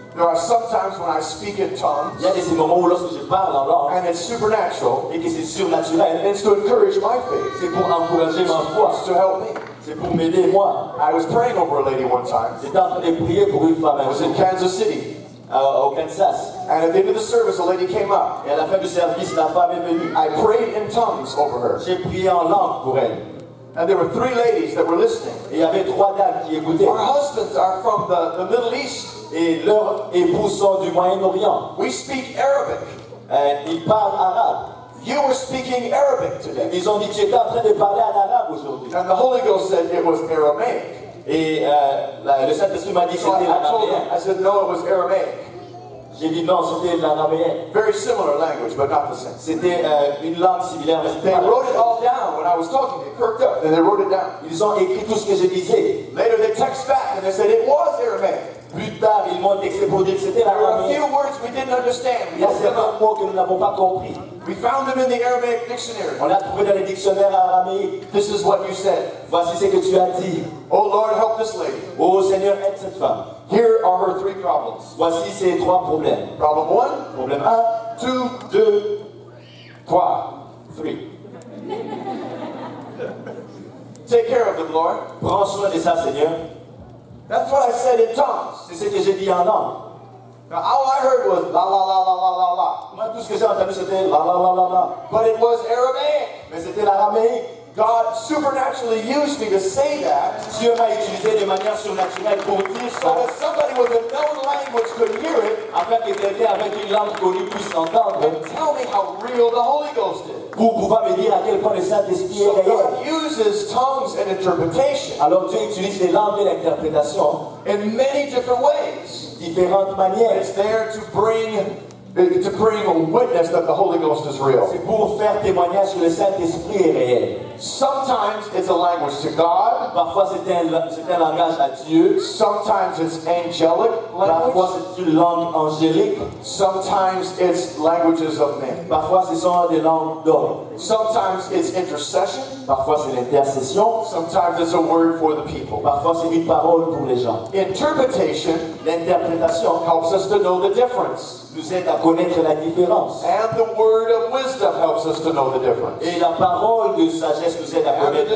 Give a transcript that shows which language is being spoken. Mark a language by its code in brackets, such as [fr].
[en] There are sometimes when I speak in tongues. [fr] Il y a des moments où lorsque je parle en langue, [en] and it's supernatural. [fr] Et que c'est surnaturel. [en] And it's to encourage my faith. [fr] C'est pour encourager ma foi. [en] It's to help me. [fr] C'est pour m'aider moi. [en] I was praying over a lady one time. [fr] J'étais en train de prier pour une femme. [en] I was in Kansas City. [fr] Au Kansas. [en] And at the end of the service, a lady came up. [fr] Et à la fin du service, la femme est venue. [en] I prayed in tongues over her. [fr] J'ai prié en langue pour elle. [en] And there were three ladies that were listening. [fr] Et il y avait trois dames qui écoutaient. [en] Our husbands are from the Middle East. [fr] Et leurs époux sont du Moyen-Orient. [en] We speak Arabic. [fr] Ils parlent arabe. [en] You were speaking Arabic today. [fr] Ils ont dit tu étais en train de parler en arabe aujourd'hui. [en] And the Holy Ghost said it was Aramaic. [fr] Et le Saint-Esprit m'a dit [en] so [fr] c'était l'arabéen. [en] I said no, it was Aramaic. [fr] J'ai dit non, c'était l'arabéen. [en] Very similar language, but not the same. [fr] C'était une langue similaire, mais [en] they wrote it all down when I was talking. They perked up and they wrote it down. [fr] Ils ont écrit tout ce que je disais. [en] Later they text back and they said it was Aramaic. [fr] Plus tard, ils m'ont texté pour dire que c'était l'arabéen. [en] There were a few words we didn't understand. [fr] Il y a certains mots que nous n'avons pas compris. [en] We found them in the Aramaic dictionary. [fr] On l'a trouvé dans les dictionnaires araméens. [en] This is what you said. [fr] Voici ce que tu as dit. [en] Oh Lord, help this lady. [fr] Oh Seigneur, aide cette femme. [en] Here are her three problems. [fr] Voici ses trois problèmes. [en] Problem one. [fr] Problème un. [en] Two. [fr] Deux. Trois. [en] Three. Take care of them, Lord. [fr] Prends soin de ça, Seigneur. [en] That's what I said in tongues. [fr] C'est ce que j'ai dit en langue. [en] Now all I heard was la la la la la la la. [fr] Moi tout ce que j'ai entendu c'était la la la la la. [en] But it was Aramaic. [fr] Mais c'était l'araméen. [en] God supernaturally used me to say that. [fr] Dieu m'a utilisé de manière surnaturelle pour dire ça. [en] So that somebody with a known language could hear it. [fr] Afin que quelqu'un avec une langue connue puisse entendre. [en] And tell me how real the Holy Ghost is. [fr] Pour pouvoir me dire à quel point le Saint-Esprit est réel. [en] So God uses tongues and interpretation. [fr] Alors Dieu utilise les langues et l'interprétation. [en] In many different ways. [fr] Différentes manières. [en] It's there to bring. To bring a witness that the Holy Ghost is real. [fr] C'est pour faire témoignage que le Saint-Esprit est réel. [en] Sometimes it's a language to God. [fr] Parfois c'est un langage à Dieu. [en] Sometimes it's angelic language. [fr] Parfois c'est une langue angélique. [en] Sometimes it's languages of men. [fr] Parfois c'est des langues d'hommes. [en] Sometimes it's intercession. [fr] Parfois c'est l'intercession. [en] Sometimes it's a word for the people. [fr] Parfois c'est une parole pour les gens. [en] Interpretation, [fr] l'interprétation, [en] helps us to know the difference. [fr] Nous aide à connaître la différence. [en] And the word of wisdom helps us to know the difference. [fr] Et la parole de sagesse nous aide à connaître.